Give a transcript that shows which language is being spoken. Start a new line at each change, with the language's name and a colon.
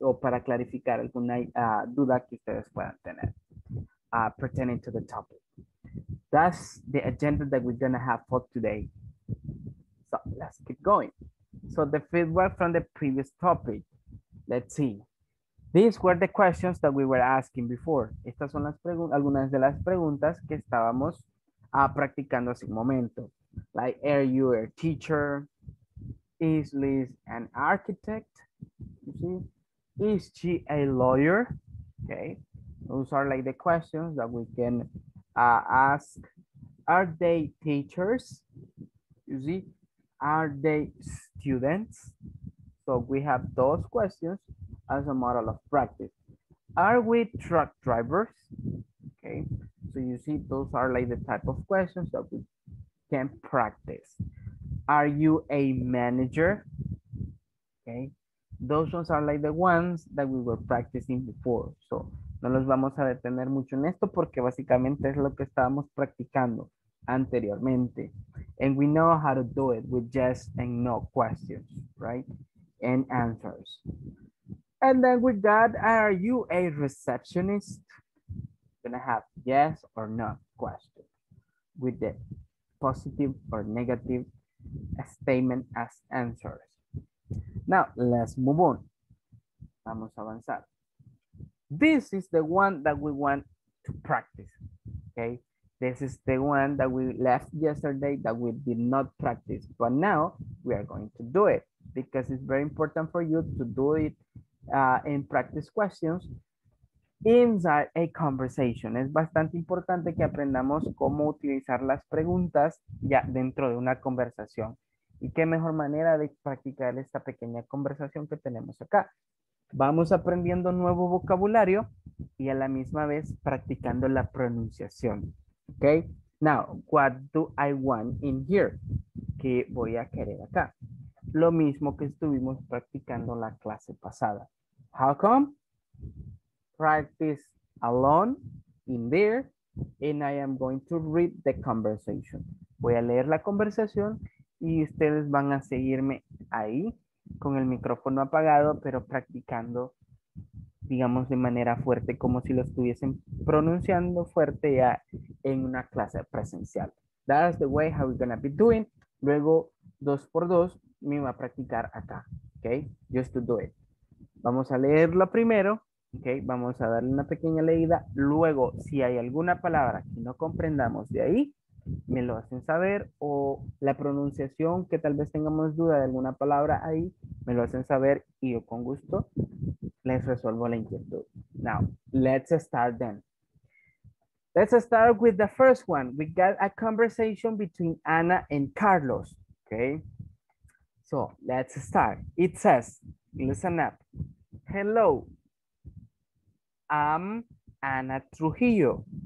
Spanish: O para clarificar alguna duda que ustedes puedan tener,
English: pertaining to the topic. that's the agenda that we're gonna have for today. So let's keep going. So the feedback from the previous topic, let's see. These were the questions that we were asking before.
Spanish: Estas son las algunas de las preguntas que estábamos practicando hace un momento.
English: Like, are you a teacher? Is Liz an architect? You see? Is she a lawyer? Okay, those are like the questions that we can ask. Are they teachers? You see? Are they students? So we have those questions as a model of practice. Are we truck drivers? Okay, so you see those are like the type of questions that we can practice. Are you a manager? Okay, those ones are like the ones that we were practicing before.
Spanish: So no los vamos a detener mucho en esto porque básicamente es lo que estábamos practicando anteriormente.
English: And we know how to do it with yes and no questions, right? And answers. And then with that, are you a receptionist? Gonna have yes or no question with the positive or negative statement as answers. Now, let's move on.
Spanish: Vamos a avanzar.
English: This is the one that we want to practice, okay? This is the one that we left yesterday that we did not practice, but now we are going to do it because it's very important for you to do it in practice questions inside a conversation.
Spanish: Es bastante importante que aprendamos cómo utilizar las preguntas ya dentro de una conversación. Y qué mejor manera de practicar esta pequeña conversación que tenemos acá. Vamos aprendiendo nuevo vocabulario y a la misma vez practicando la pronunciación.
English: Okay, now, what do I want in here?
Spanish: ¿Qué voy a querer acá? Lo mismo que estuvimos practicando la clase pasada.
English: How come? Practice alone in there, and I am going to read the conversation.
Spanish: Voy a leer la conversación y ustedes van a seguirme ahí con el micrófono apagado, pero practicando, digamos, de manera fuerte, como si lo estuviesen pronunciando fuerte ya en una clase presencial.
English: That's the way how we're gonna be doing.
Spanish: Luego, dos por dos, me va a practicar acá, okay?
English: Just to do it.
Spanish: Vamos a leerlo primero, okay? Vamos a darle una pequeña leída. Luego, si hay alguna palabra que no comprendamos de ahí, me lo hacen saber, o la pronunciación, que tal vez tengamos duda de alguna palabra ahí, me lo hacen saber y yo con gusto les resuelvo la inquietud.
English: Now, let's start then. Let's start with the first one. We got a conversation between Anna and Carlos, okay? So, let's start. It says, listen up. Hello, I'm Anna Trujillo.